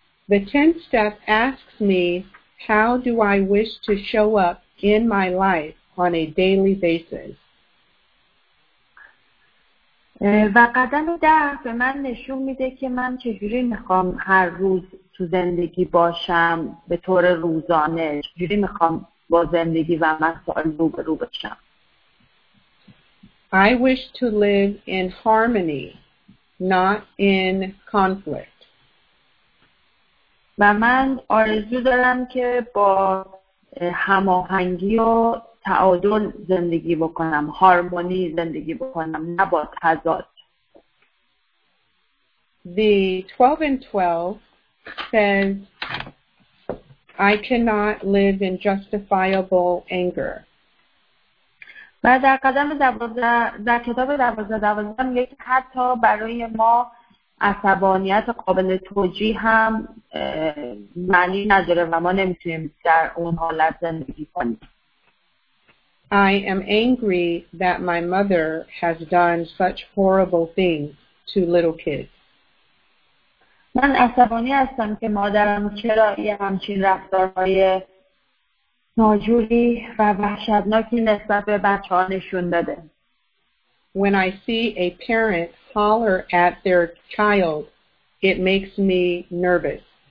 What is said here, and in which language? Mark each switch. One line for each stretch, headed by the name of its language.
English: The 10th step asks me how do I wish to show up in my life on a daily basis.
Persian: و قدم 10 به من نشون میده که من چجوری میخوام هر روز تو زندگی باشم به طور روزانه، چجوری میخوام با زندگی و مسائل روبرو بشم.
English: I wish to live in harmony, not in conflict.
Persian: و من آرزو دارم که با هماهنگی و تعادل زندگی بکنم، هارمونی زندگی بکنم، نه با تضاد.
English: the 12 and 12 says, I cannot live in justifiable anger.
Persian: و در قدم دوازده در کتاب دوازده دوازده میگه که حتی برای ما عصبانیت قابل توجیه هم معنی نداره و ما نمیتونیم در اون حالت زندگی کنیم.
English: I am angry that my mother has done such horrible things to little kids.
Persian: من عصبانی هستم که مادرم چرا یه همچین رفتارهای ناجوری و وحشتناکی نسبت به بچه ها نشون داده.
English: When I see a parent holler at their child, it makes me nervous.